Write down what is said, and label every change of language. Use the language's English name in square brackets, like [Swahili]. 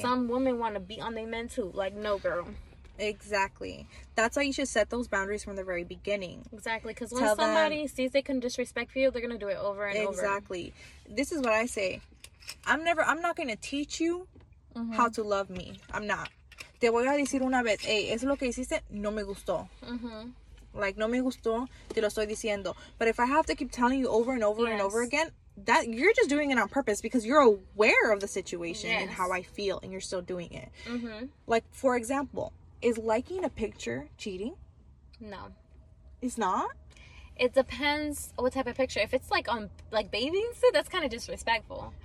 [English] some women want to beat on their men too. Like, no, girl. Exactly. That's why you should set those boundaries from the very beginning. Exactly, because once Tell them. somebody sees they can disrespect you, they're gonna do it over and over. Exactly. This is what I say. I'm not going to teach you how to love me. I'm not. [Spanish] Te voy a decir una vez, hey, es lo que hiciste, no me gustó. Like, no me gustó, te lo estoy diciendo. [English] But if I have to keep telling you over and over and over Yes. again, that you're just doing it on purpose because you're aware of the situation and how Yes. I feel and you're still doing it. Like, for example, is liking a picture cheating? No. It's not. It depends what type of picture. If it's like on like bathing suit, that's kind of disrespectful.